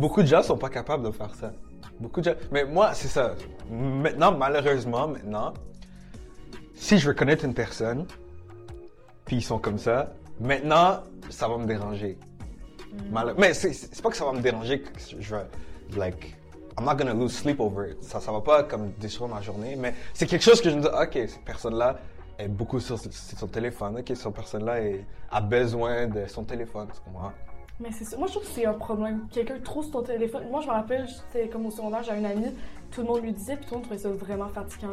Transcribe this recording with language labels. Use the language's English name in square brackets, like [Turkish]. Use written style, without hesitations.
[French] Beaucoup de gens ne sont pas capables de faire ça. Beaucoup de gens. Mais moi, c'est ça. Maintenant, malheureusement, maintenant, si je veux connaître une personne, puis ils sont comme ça, maintenant, ça va me déranger. Mais c'est pas que ça va me déranger que je veux. [English] Like, I'm not gonna lose sleep over it. [French] Ça va pas comme détruire ma journée, mais c'est quelque chose que je me dis, OK, cette personne-là est beaucoup sur son téléphone, OK, cette personne-là a besoin de son téléphone, tu comprends? Mais c'est ça. Moi, je trouve que c'est un problème. Quelqu'un trop sur ton téléphone. Moi, je me rappelle, j'étais comme au secondaire, j'avais une amie, tout le monde lui disait, puis tout le monde trouvait ça vraiment fatigant.